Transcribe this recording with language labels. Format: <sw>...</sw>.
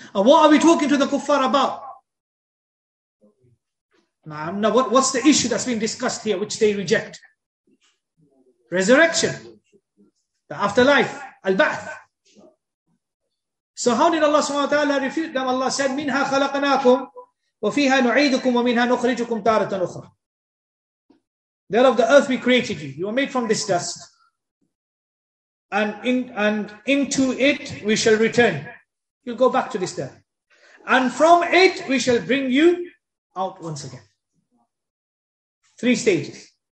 <en>And what are we talking to the kuffar about? Now, what's the issue that's being discussed here which they reject? Resurrection. The afterlife. Al-Ba'th. So how did Allah subhanahu wa ta'ala refute them? Allah said,</en> <ar>مِنْهَا خَلَقْنَاكُمْ وَفِيهَا نُعِيدُكُمْ وَمِنْهَا نُخْرِجُكُمْ تَارَةً أُخْرَى.</ar> <en>There of the earth we created you. You were made from this dust. And into it we shall return. You'll go back to this dust. And from it we shall bring you out once again. Three stages.</en>